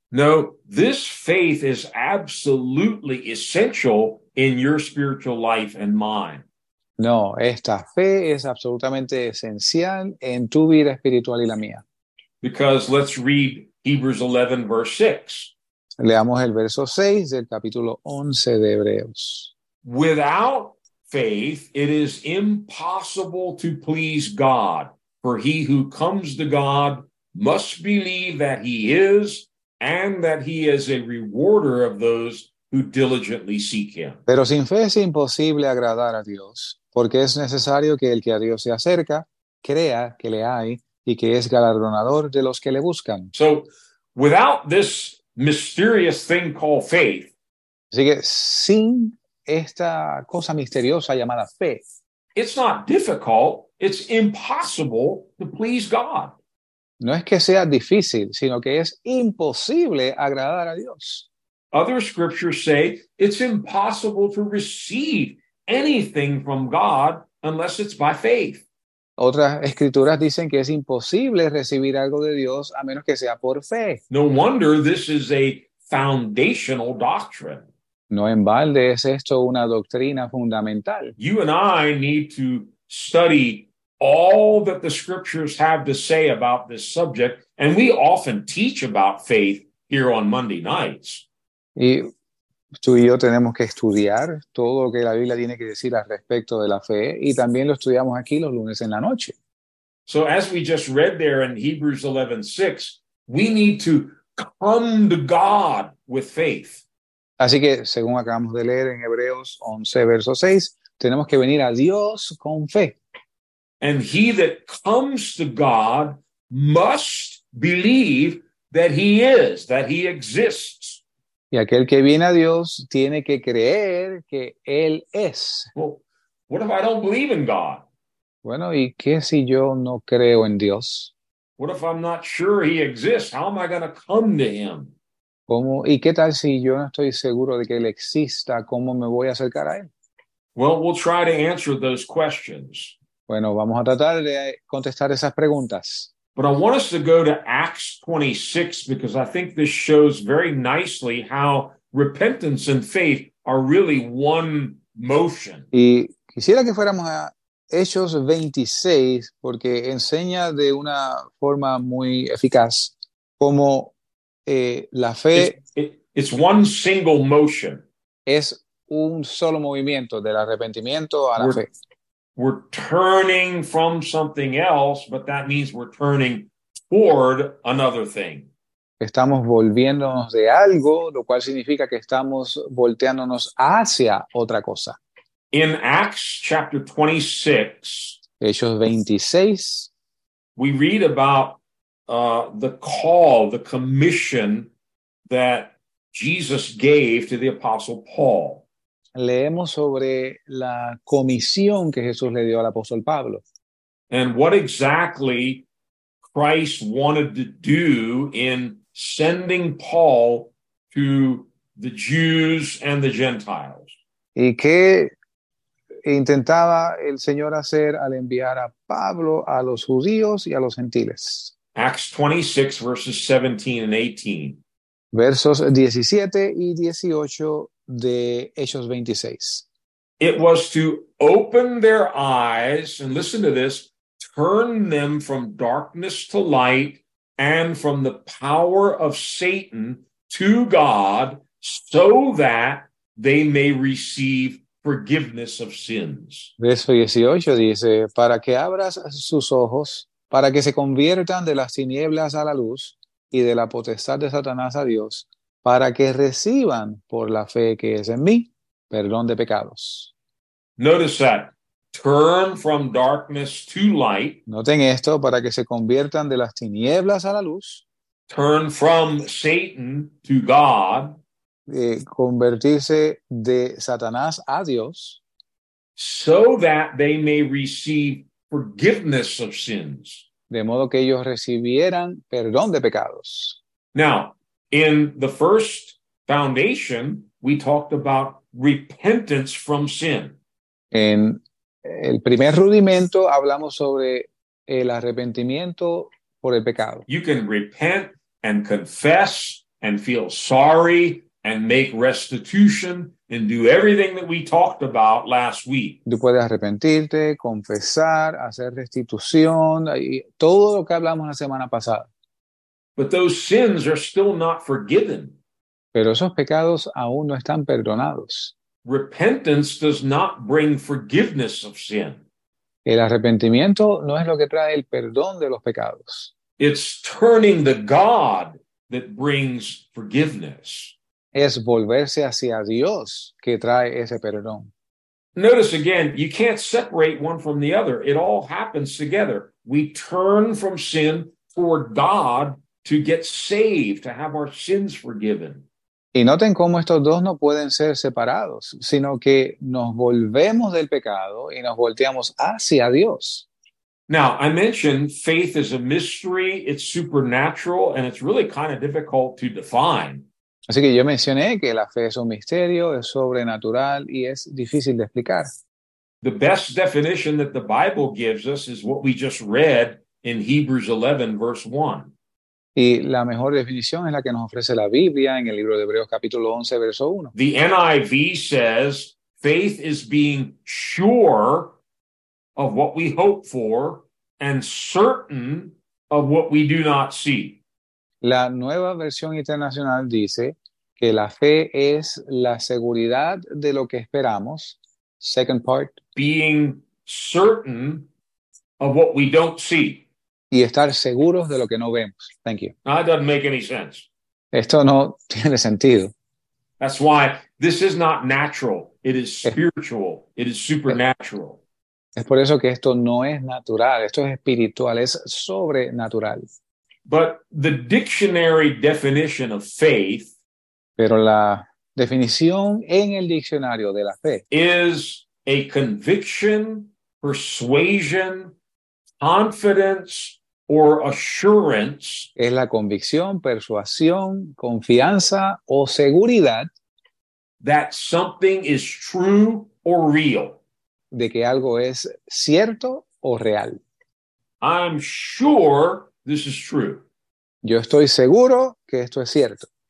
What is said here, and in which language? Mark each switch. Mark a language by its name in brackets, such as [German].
[English] No, this faith is absolutely essential in your spiritual life and mine. [Spanish] No, esta fe es absolutamente esencial en tu vida espiritual y la mía. [English] Because let's read Hebrews 11, verse 6. [Spanish] Leamos el verso 6 del capítulo 11 de Hebreos. [English] Without faith, it is impossible to please God, for he who comes to God must believe that he is, and that he is a rewarder of those who diligently seek him. [Spanish] Pero sin fe es imposible agradar a Dios, porque es necesario que el que a Dios se acerca crea que le hay y que es galardonador de los que le buscan. [English] So, without this mysterious thing called faith, [Spanish] Así que sin esta cosa misteriosa llamada fe, [English] it's not difficult, it's impossible to please God. [Spanish] no es que sea difícil, sino que es imposible agradar a Dios. [English] Other scriptures say it's impossible to receive anything from God unless it's by faith. [Spanish] Otras escrituras dicen que es imposible recibir algo de Dios a menos que sea por fe. [English] No wonder this is a foundational doctrine. [Spanish] No en balde es esto una doctrina fundamental. [English] You and I need to study all that the scriptures have to say about this subject, and we often teach about faith here on Monday nights. [Spanish] Y tú y yo tenemos que estudiar todo lo que la Biblia tiene que decir al respecto de la fe, y también lo estudiamos aquí los lunes en la noche. [English] So as we just read there in Hebrews 11:6, we need to come to God with faith. [Spanish] Así que según acabamos de leer en Hebreos 11 verso 6, tenemos que venir a Dios con fe. [English] And he that comes to God must believe that he is, that he exists. [Spanish] Y aquel que viene a Dios tiene que creer que él es. [English] Well, what if I don't believe in God? [Spanish] Bueno, ¿y qué si yo no creo en Dios? [English] What if I'm not sure he exists? How am I going to come to him? [Spanish] ¿Cómo, y qué tal si yo no estoy seguro de que él exista? ¿Cómo me voy a acercar a él? [English] Well, we'll try to answer those questions. [Spanish] Bueno, vamos a tratar de contestar esas preguntas. [English] But I want us to go to Acts 26 because I think this shows very nicely how repentance and faith are really one motion. [Spanish] Y quisiera que fuéramos a Hechos 26 porque enseña de una forma muy eficaz cómo la fe [English] it's one single motion. [Spanish] Es un solo movimiento del arrepentimiento a la fe. [English] We're turning from something else, but that means we're turning toward another thing. [Spanish] Estamos volviéndonos de algo, lo cual significa que estamos volteándonos hacia otra cosa. [English] In Acts chapter 26, [Spanish] Hechos 26, [English] we read about the call, the commission that Jesus gave to the apostle Paul. [Spanish] Leemos sobre la comisión que Jesús le dio al apóstol Pablo. [English] And what exactly Christ wanted to do in sending Paul to the Jews and the Gentiles. [Spanish] ¿Y qué intentaba el Señor hacer al enviar a Pablo a los judíos y a los gentiles? [English] Acts 26, verses 17 and 18. [Spanish] Versos 17 y 18. De Hechos 26. [English] It was to open their eyes, and listen to this, turn them from darkness to light and from the power of Satan to God so that they may receive forgiveness of sins. [Spanish] Verso 18 dice, para que abras sus ojos, para que se conviertan de las tinieblas a la luz y de la potestad de Satanás a Dios, para que reciban por la fe que es en mí perdón de pecados. [English] Notice that. Turn from darkness to light. [Spanish] Noten esto, para que se conviertan de las tinieblas a la luz. [English] Turn from Satan to God. [Spanish] Convertirse de Satanás a Dios. [English] So that they may receive forgiveness of sins. [Spanish] De modo que ellos recibieran perdón de pecados. [English] Now, in the first foundation, we talked about repentance from sin. [Spanish] En el primer rudimento hablamos sobre el arrepentimiento por el pecado. [English] You can repent and confess and feel sorry and make restitution and do everything that we talked about last week. [Spanish] Tú puedes arrepentirte, confesar, hacer restitución, y todo lo que hablamos la semana pasada. [English] But those sins are still not forgiven. [Spanish] Pero esos pecados aún no están perdonados. [English] Repentance does not bring forgiveness of sin. [Spanish] El arrepentimiento no es lo que trae el perdón de los pecados. [English] It's turning to God that brings forgiveness. [Spanish] Es volverse hacia Dios que trae ese perdón. [English] Notice again, you can't separate one from the other. It all happens together. We turn from sin toward God to get saved, to have our sins forgiven. [Spanish] Y noten cómo estos dos no pueden ser separados, sino que nos volvemos del pecado y nos volteamos hacia Dios. [English] Now, I mentioned faith is a mystery, it's supernatural, and it's really kind of difficult to define. [Spanish] Así que yo mencioné que la fe es un misterio, es sobrenatural y es difícil de explicar. [English] The best definition that the Bible gives us is what we just read in Hebrews 11, verse 1. [Spanish] Y la mejor definición es la que nos ofrece la Biblia en el libro de Hebreos capítulo 11, verso 1. [English] The NIV says, faith is being sure of what we hope for and certain of what we do not see. [Spanish] La nueva versión internacional dice que la fe es la seguridad de lo que esperamos. [English] Second part. Being certain of what we don't see. [Spanish] Y estar seguros de lo que no vemos. [English] Thank you. That doesn't make any sense. [Spanish] Esto no tiene sentido. [English] That's why this is not natural. It is spiritual. It is supernatural. [Spanish] Es por eso que esto no es natural, esto es espiritual, es sobrenatural. [English] But the dictionary definition of faith [Spanish] Pero la definición en el diccionario de la fe [English] is a conviction, persuasion, confidence, or assurance [Spanish] es la convicción, persuasión, confianza o seguridad [English] that something is true or real. [Spanish] De que algo es cierto o real. [English] I'm sure this is true. [Spanish] Yo estoy seguro que esto es cierto.